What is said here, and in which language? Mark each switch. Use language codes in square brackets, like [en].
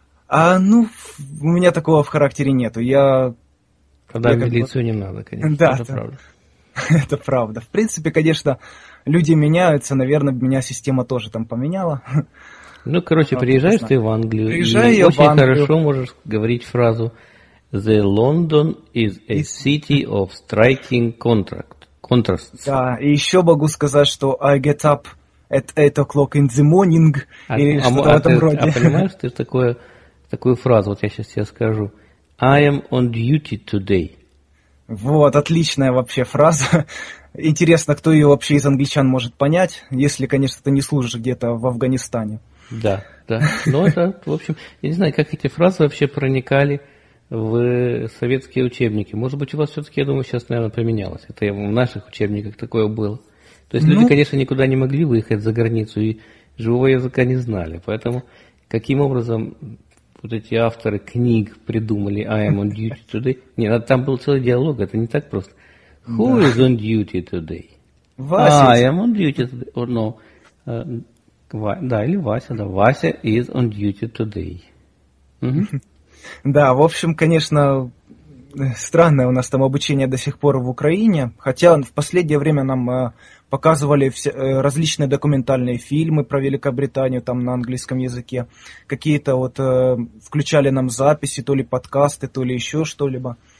[ru] Ну, у меня такого в характере нету. Тогда милицию не надо, конечно. Да, это правда. Это правда. В принципе, конечно, люди меняются, наверное, меня система тоже там поменяла. Ну, короче, приезжаешь ты в Англию. Приезжаю я в Англию. Очень хорошо можешь говорить фразу [en] The London is a city of striking contrasts. [ru] Да, и еще могу сказать, что [en] I get up at 8 o'clock in the morning, [ru] или что-то в этом роде. А понимаешь, ты такое, такую фразу, вот я сейчас тебе скажу. [en] I am on duty today. [ru] Вот, отличная вообще фраза. Интересно, кто ее вообще из англичан может понять, если, конечно, ты не служишь где-то в Афганистане. Да, да. Ну, это, в общем, я не знаю, как эти фразы вообще проникали в советские учебники. Может быть, у вас все-таки, я думаю, сейчас, наверное, поменялось. Это в наших учебниках такое было. То есть люди, конечно, никуда не могли выехать за границу и живого языка не знали. Поэтому каким образом вот эти авторы книг придумали [en] «I am on duty today»? [ru] Нет, там был целый диалог, это не так просто. [en] Who is on duty today? [ru] Вася. [en] I am on duty today. Or no. [ru] Да, или Вася, да. [en] Вася is on duty today. [ru] Да, в общем, конечно, странное у нас там обучение до сих пор в Украине. Хотя в последнее время нам показывали все, различные документальные фильмы про Великобританию там на английском языке. Какие-то вот включали нам записи, то ли подкасты, то ли еще что-либо.